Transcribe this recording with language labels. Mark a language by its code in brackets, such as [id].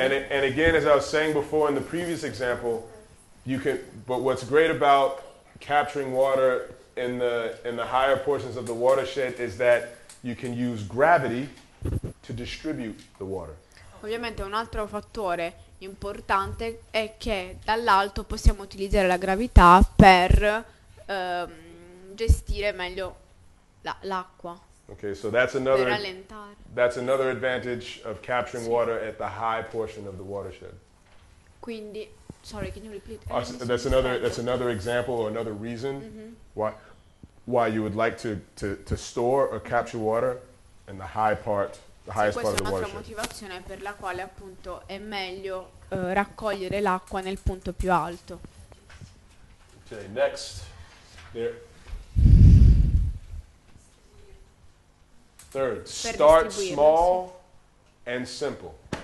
[en] And again, as I was saying before in the previous example, you can. But what's great about capturing water in the higher portions of the watershed is that you can use gravity to distribute the water. [it] Ovviamente un altro fattore importante è che dall'alto possiamo utilizzare la gravità per gestire meglio l'acqua. [en] Okay, so that's another [it] per rallentare. [en] That's another advantage of capturing water at the high portion of the watershed. Quindi sorry, can you repeat? That's another example or another reason mm-hmm. why you would like to store or capture water in the high part, the highest part of the watershed. [it] Questa è un'altra motivazione per la quale appunto è meglio raccogliere l'acqua nel punto più alto. [en] Okay, next. There. Third. Start small and simple.